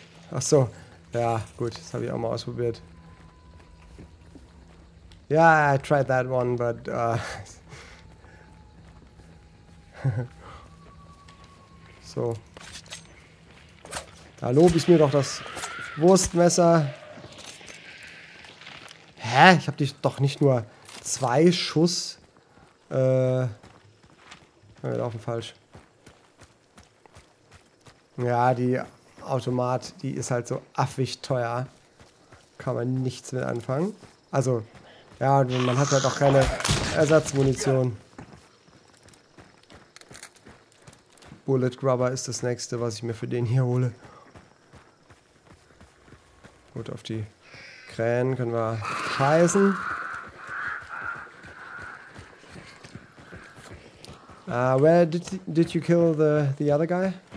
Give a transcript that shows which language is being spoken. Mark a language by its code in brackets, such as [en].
[de] Ach so. Ja, gut. Das habe ich auch mal ausprobiert. [en] Ja, yeah, I tried that one, but... [de] So. Da lobe ich mir doch das Wurstmesser. Hä? Ich habe dich doch nicht nur 2 Schuss. Wir laufen falsch. Ja, die Automat, die ist halt so affig teuer. Kann man nichts mit anfangen. Also, ja, man hat halt auch keine Ersatzmunition. Bullet Grubber ist das nächste, was ich mir für den hier hole. Gut, auf die Krähen können wir scheißen. [en] Where did you kill the other guy?